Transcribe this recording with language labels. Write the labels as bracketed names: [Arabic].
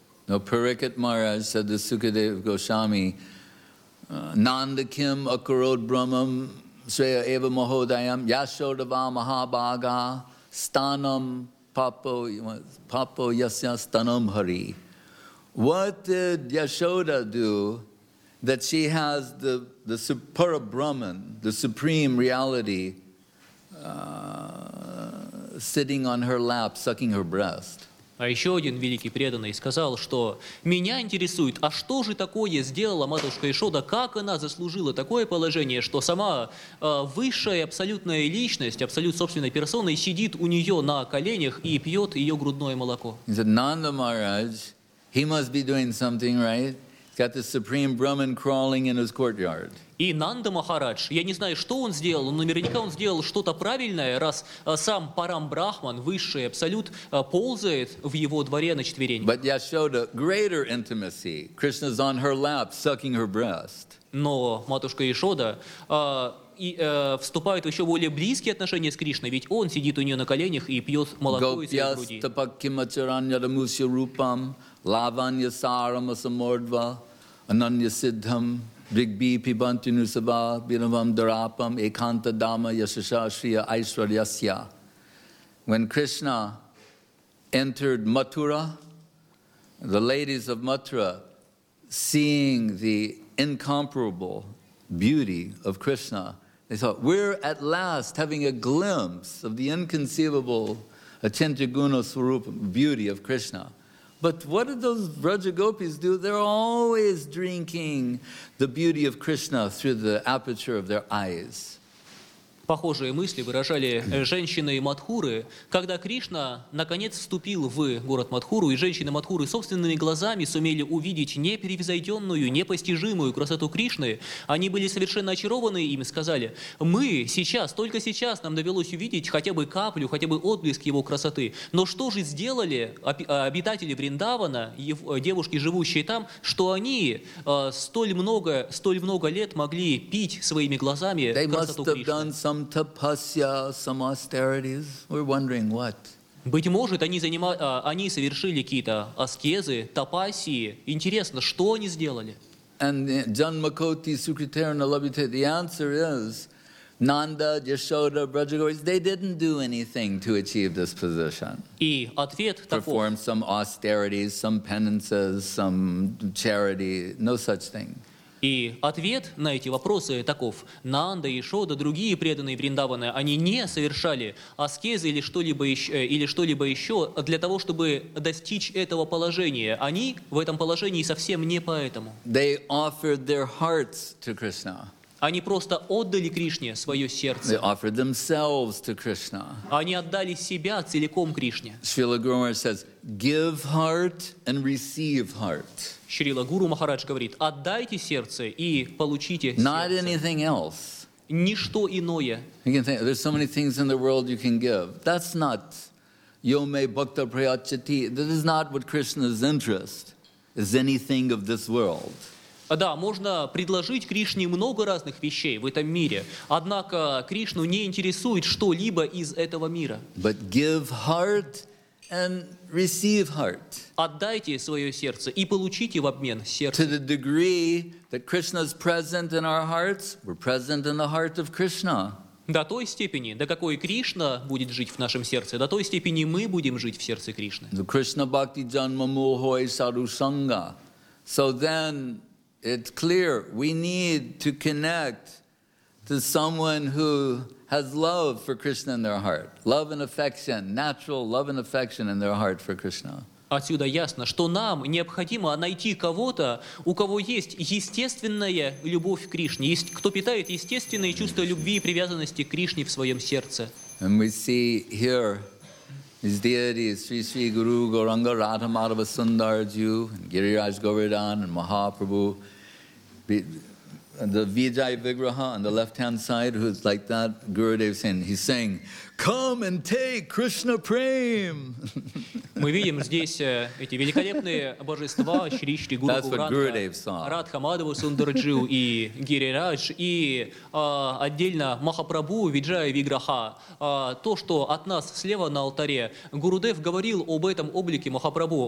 [Russian] Но Парикет Махарадж сказал, что Сукадев Госвами [Sanskrit] «Нандаким акарод брамам свея эва моходаям яшодава махабага станам Papo yasya stanam hari. [English] What did Yashoda do that she has the Para Brahman, the supreme reality, sitting on her lap, sucking her breast? [Russian] А еще один великий преданный сказал, что «Меня интересует, а что же такое сделала матушка Яшода, как она заслужила такое положение, что сама высшая абсолютная личность, абсолют собственной персоной, сидит у нее на коленях и пьет ее грудное молоко». [English] Нанда Махарадж, he must be doing something, right? Got the supreme Brahman crawling in his courtyard. [Russian] И Нанда Махарадж, я не знаю, что он сделал, но наверняка он сделал что-то правильное, раз сам Парам Брахман, высший абсолют, ползает в его дворе на четвереньках. [English] But Yashoda, greater intimacy. Krishna's on her lap, sucking her breast. [Russian] Но матушка Яшода вступает в еще более близкие отношения с Кришной, ведь он сидит у нее на коленях и пьет молоко из ее груди. [Sanskrit] Гопьяс тапакимачараньядамуся рупам лаванья сарама самордва ананья сиддхам Ригби Пибантину Саба Бинавам Дарапам Эканта Дама Яшашрия Айшварьясья. [English] When Krishna entered Mathura, the ladies of Mathura, seeing the incomparable beauty of Krishna, they thought, we're at last having a glimpse of the inconceivable Achintyaguna Swarupa beauty of Krishna. But what did those Vrajagopis do? They're always drinking the beauty of Krishna through the aperture of their eyes. [Russian] Похожие мысли выражали женщины Мадхуры, когда Кришна наконец вступил в город Мадхуру, и женщины Мадхуры собственными глазами сумели увидеть непревзойденную, непостижимую красоту Кришны. Они были совершенно очарованы им и сказали, «Мы сейчас, только сейчас нам довелось увидеть хотя бы каплю, хотя бы отблеск его красоты. Но что же сделали обитатели Вриндавана, девушки, живущие там, что они столь много лет могли пить своими глазами красоту Кришны?» [English] Some tapasya, some austerities. We're wondering what. [Russian] Быть может, они совершили какие-то аскезы, тапасии. Интересно, что они сделали? [English] And [Sanskrit] Janmakoti Sukritarana Labhite, [English] the answer is Nanda, Yashoda, Brajagopis, they didn't do anything to achieve this position. [Russian] И ответ таков. [English] Perform some austerities, some penances, some charity, no such thing. [Russian] И ответ на эти вопросы таков. Нанда, Яшода, другие преданные Вриндаваны, они не совершали аскезы или что-либо еще для того, чтобы достичь этого положения. Они в этом положении совсем не поэтому. [English] They offered their hearts to Krishna. [Russian] Они просто отдали Кришне свое сердце. [English] They offered themselves to Krishna. [Russian] Они отдали себя целиком Кришне. [English] Srila Guru Maharaj says, give heart and receive heart. [Russian] Шрила Гуру Махарадж говорит, отдайте сердце и получите сердце. [English] Not anything else. [Russian] Ничто иное. [English] You can think, there's so many things in the world you can give. That's not [Sanskrit] yome bhakta prayachati. [English] This is not what Krishna's interest is, anything of this world. [Russian] Да, можно предложить Кришне много разных вещей в этом мире, однако Кришну не интересует что-либо из этого мира. [English] But give heart and receive heart. [Russian] Отдайте свое сердце и получите в обмен сердце. [English] To the degree that Krishna's present in our hearts, we're present in the heart of Krishna. [Russian] До той степени, до какой Кришна будет жить в нашем сердце, до той степени мы будем жить в сердце Кришны. [Sanskrit] The Krishna Bhakti Janma Mulhoi Sadhu Sangha. [English] So then, it's clear we need to connect to someone who has love for Krishna in their heart. Love and affection, natural love and affection in their heart for Krishna. [Russian] Отсюда ясно, что нам необходимо найти кого-то, у кого есть естественная любовь к Кришне, кто питает естественные чувства любви и привязанности к Кришне в своем сердце. [English] And we see here these deities, Sri Sri Guru Gauranga Radha Madhava Sundarju, Giriraj Govardhan, and Mahaprabhu, the Vijay Vigraha on the left-hand side, who's like that, Gurudev saying, he's saying, come and take Krishna Prem. [Russian] Мы видим здесь эти великолепные божества Шри Гуру Радха, Мадхава Сундарджиу и Гирирадж, и отдельно Махапрабху Виджая Виграха. То, что от нас слева на алтаре, Гурудев говорил об этом облике Махапрабху.